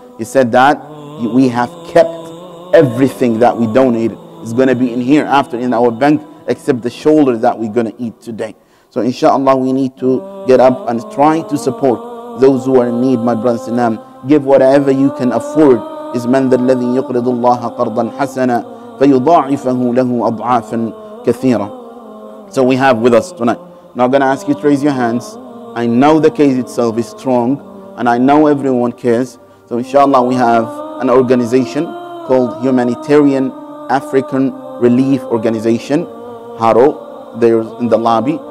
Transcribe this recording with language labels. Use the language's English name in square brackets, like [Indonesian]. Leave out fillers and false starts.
[English] He said that we have kept everything that we donated is going to be in hereafter in our bank except the shoulder that we're going to eat today. So inshallah, we need to get up and try to support those who are in need, my brothers and sisters. Give whatever you can afford. [Arabic] Is man the الذي يقرض الله قرضا حسنا فيضاعفه له أضعافا كثيرة. [English] So we have with us tonight. I'm not going to ask you to raise your hands. I know the case itself is strong, and I know everyone cares. So inshallah, we have an organization called Humanitarian African Relief Organization, HARO. They're in the lobby.